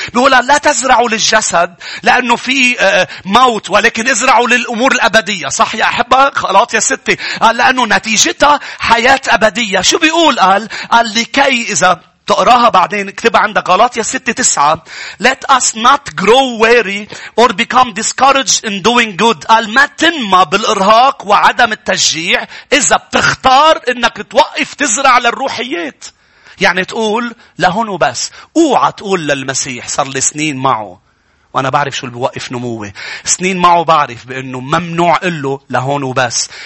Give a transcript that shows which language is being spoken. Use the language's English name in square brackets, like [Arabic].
[Arabic] بيقوله لا تزرعوا للجسد لأنه في موت ولكن ازرعوا للأمور الأبدية. صح يا أحبة؟ غلاطية ستة. قال لأنه نتيجتها حياة أبدية. شو بيقول؟ قال لكي إذا تقراها بعدين اكتبها عندك غلاطية 6-9. [English] Let us not grow weary or become discouraged in doing good. [Arabic] قال ما تنمى بالإرهاق وعدم التشجيع إذا بتختار إنك توقف تزرع للروحيات. يعني تقول لهون وبس. اوعى تقول للمسيح صار لي سنين معه وأنا بعرف شو اللي بوقف نموه. سنين معه بعرف بأنه ممنوع قله لهون وبس.